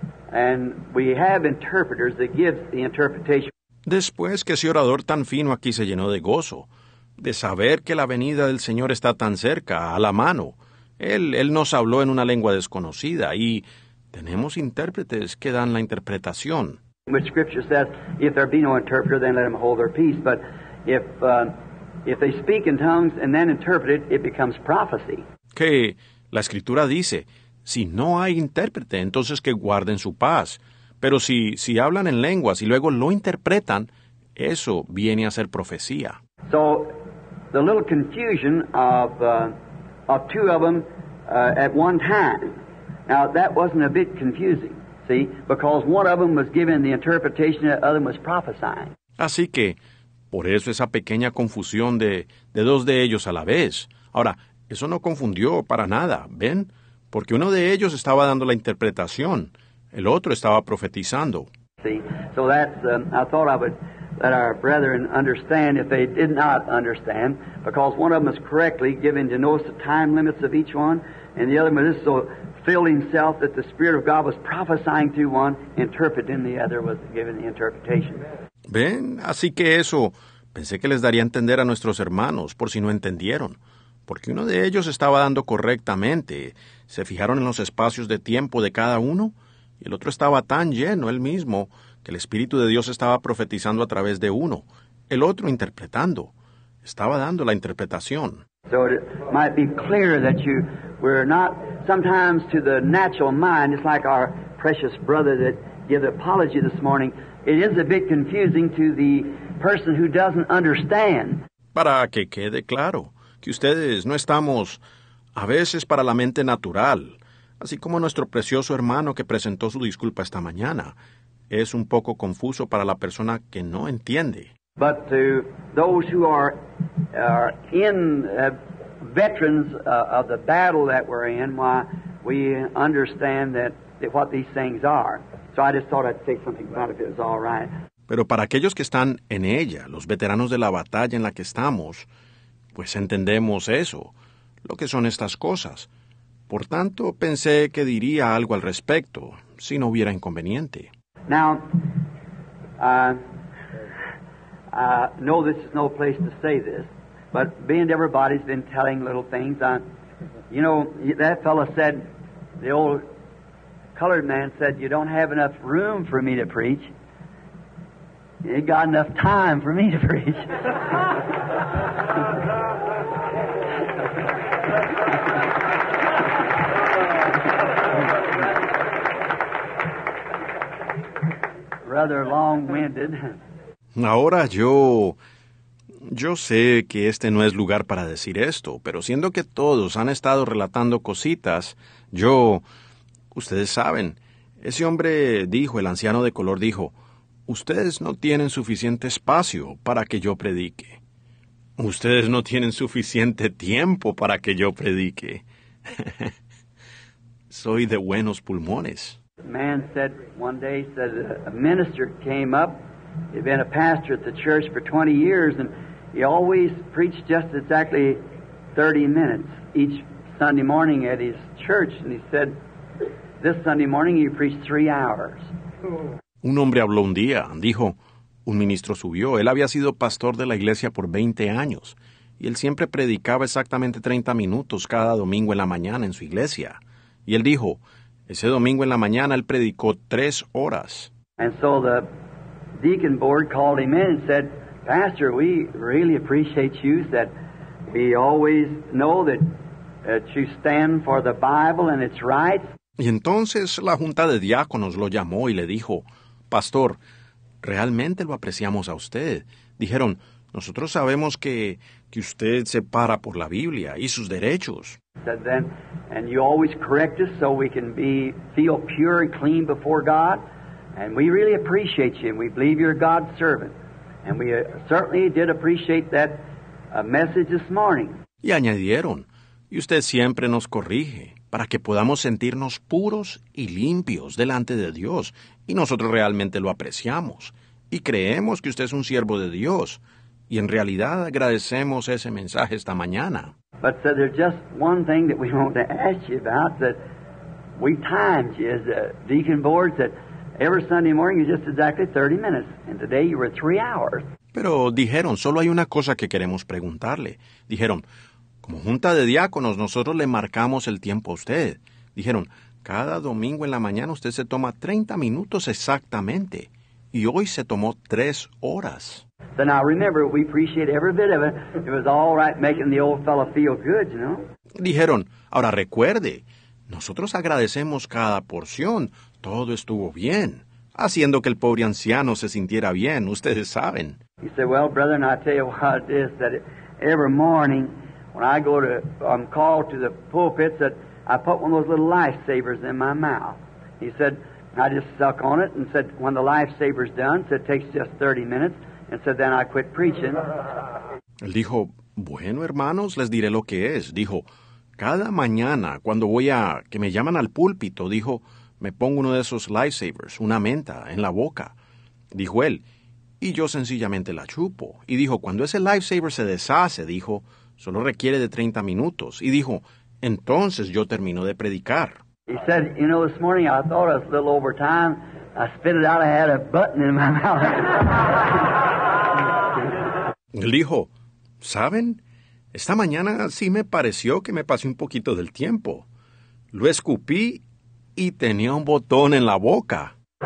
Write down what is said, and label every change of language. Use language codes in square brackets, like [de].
[en] And we have interpreters that give the interpretation. [es] Después que ese orador tan fino aquí se llenó de gozo, de saber que la venida del Señor está tan cerca, a la mano, él nos habló en una lengua desconocida y tenemos intérpretes que dan la interpretación. [en] Which scripture says, if there be no interpreter, then let them hold their peace. But if they speak in tongues and then interpret it, it becomes prophecy. [es] Que la escritura dice, si no hay intérprete, entonces que guarden su paz. Pero si hablan en lenguas y luego lo interpretan, eso viene a ser profecía. [en] So, the little confusion of two of them at one time. Now, that wasn't a bit confusing. See, because one of them was given the interpretation, the other was prophesying. [es] Así que, por eso esa pequeña confusión de dos de ellos a la vez. Ahora, eso no confundió para nada, ¿ven? Porque uno de ellos estaba dando la interpretación, el otro estaba profetizando. [en] See, so that's, I thought I would let our brethren understand if they did not understand, because one of them is correctly given to notice the time limits of each one, and the other one is so filled himself that the Spirit of God was prophesying through one, interpreting the other, was given the interpretation. [es] Ven, así que eso, pensé que les daría a entender a nuestros hermanos, por si no entendieron. Porque uno de ellos estaba dando correctamente, se fijaron en los espacios de tiempo de cada uno, y el otro estaba tan lleno él mismo, que el Espíritu de Dios estaba profetizando a través de uno, el otro interpretando, estaba dando la interpretación. [en] So it might be clear that you were not, sometimes to the natural mind, it's like our precious brother that gave the apology this morning, it is a bit confusing to the person who doesn't understand. [es] Para que quede claro, que ustedes no estamos, a veces para la mente natural, así como nuestro precioso hermano que presentó su disculpa esta mañana, es un poco confuso para la persona que no entiende. [en] But to those who are in veterans of the battle that we're in, why we understand that what these things are. So I just thought I'd say something about it. It's all right. [es] Pero para aquellos que están en ella, los veteranos de la batalla en la que estamos, pues entendemos eso, lo que son estas cosas. Por tanto, pensé que diría algo al respecto, si no hubiera inconveniente. [en] Now, no, this is no place to say this, but being everybody's been telling little things, you know, that fella said, the old colored man said, you don't have enough room for me to preach. You ain't got enough time for me to preach. Rather long-winded. [es] Ahora yo sé que este no es lugar para decir esto, pero siendo que todos han estado relatando cositas, ustedes saben, ese hombre dijo, el anciano de color dijo, ustedes no tienen suficiente espacio para que yo predique. Ustedes no tienen suficiente tiempo para que yo predique. Soy de buenos pulmones. [en] Man said one day, said a minister came up, he'd been a pastor at the church for 20 years, and he always preached just exactly 30 minutes each Sunday morning at his church. And he said, this Sunday morning he preached 3 hours. [es] Un hombre habló un día, dijo, un ministro subió, él había sido pastor de la iglesia por 20 años, y él siempre predicaba exactamente 30 minutos cada domingo en la mañana en su iglesia. Y él dijo, ese domingo en la mañana él predicó 3 horas. [en] And so the deacon board called him in and said, Pastor, we really appreciate you that we always know that you stand for the Bible and its rights. [es] Y entonces la junta de diáconos lo llamó y le dijo, Pastor, realmente lo apreciamos a usted. Dijeron, nosotros sabemos que usted se para por la Biblia y sus derechos. [en] And you always correct us so we can feel pure and clean before God. And we really appreciate you, and we believe you're God's servant. And we certainly did appreciate that message this morning. [es] Y añadieron, y usted siempre nos corrige para que podamos sentirnos puros y limpios delante de Dios. Y nosotros realmente lo apreciamos. y creemos que usted es un siervo de Dios. Y en realidad agradecemos ese mensaje esta mañana. [en] But so there's just one thing that we want to ask you about that we timed you as a deacon board that every Sunday morning is just exactly 30 minutes, and today you were 3 hours. [es] Pero dijeron, solo hay una cosa que queremos preguntarle. Dijeron, como junta de diáconos, nosotros le marcamos el tiempo a usted. Dijeron, cada domingo en la mañana usted se toma 30 minutos exactamente, y hoy se tomó 3 horas. [en] So now remember, we appreciate every bit of it. It was all right making the old fellow feel good, you know. [es] Dijeron, ahora recuerde, nosotros agradecemos cada porción. Todo estuvo bien, haciendo que el pobre anciano se sintiera bien, ustedes saben. [en] He said, well, brother, and I tell you what it is, that every morning when I go to, I'm called to the pulpit, that I put one of those little lifesavers in my mouth. He said, I just suck on it and said, when the lifesaver's done, said, it takes just 30 minutes, and said, then I quit preaching. [es] Él dijo, bueno, hermanos, les diré lo que es. Dijo, cada mañana cuando voy a, que me llaman al púlpito, dijo, me pongo uno de esos lifesavers, una menta, en la boca. Dijo él, y yo sencillamente la chupo. Y dijo, cuando ese lifesaver se deshace, dijo, solo requiere de 30 minutos. Y dijo, entonces yo termino de predicar. [en] He said, you know, this morning I thought I was a little over time. I spit it out, I had a button in my mouth. [es] Él dijo, ¿saben? Esta mañana sí me pareció que me pasé un poquito del tiempo. Lo escupí y tenía un botón en la boca.